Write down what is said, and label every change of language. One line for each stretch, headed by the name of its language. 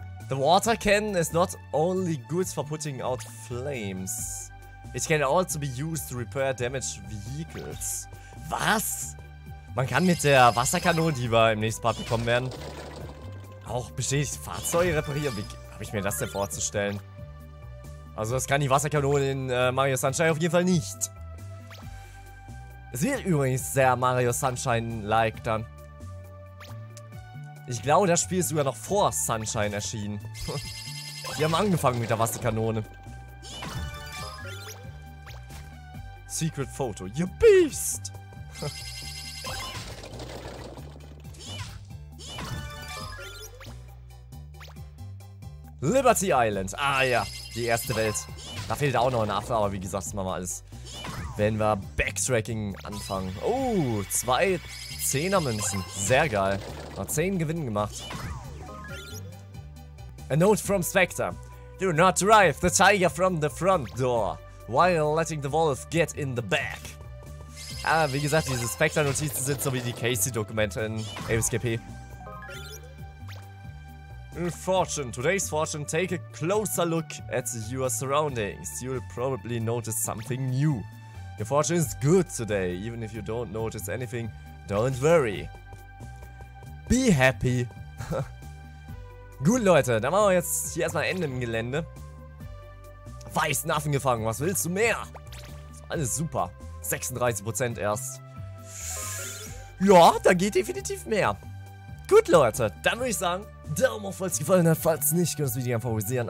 English: The water cannon is not only good for putting out flames. It can also be used to repair damaged vehicles.
German: Was? Man kann mit der Wasserkanone, die wir im nächsten Part bekommen werden, auch beschädigte Fahrzeuge reparieren. Wie habe ich mir das denn vorzustellen? Also das kann die Wasserkanone in Mario Sunshine auf jeden Fall nicht. Es wird übrigens sehr Mario Sunshine-like dann. Ich glaube, das Spiel ist sogar noch vor Sunshine erschienen. Wir haben angefangen mit der Wasserkanone.
English: Secret Photo. You Beast!
German: Liberty Island. Ah ja, die erste Welt. Da fehlt auch noch ein Affe, aber wie gesagt, das machen wir alles. Wenn wir Backtracking anfangen. Oh, 2 Zehnermünzen. Sehr geil. Noch 10 Gewinne gemacht.
English: A note from Spectre. Do not drive the tiger from the front door while letting the wolf get in the back.
German: Ah, wie gesagt, diese Spectre-Notizen sind so wie die Casey-Dokumente in ASGP.
English: Fortune, today's fortune, take a closer look at your surroundings. You'll probably notice something new. Your fortune is good today, even if you don't notice anything, don't worry. Be happy.
German: Gut, Leute, dann machen wir jetzt hier erstmal Ende im Gelände. Weißen Affen gefangen, was willst du mehr? Alles super. 36% erst. Ja, da geht definitiv mehr. Gut, Leute, dann würde ich sagen, Daumen hoch, falls es gefallen hat. Falls nicht, könnt ihr das Video einfach favorisieren.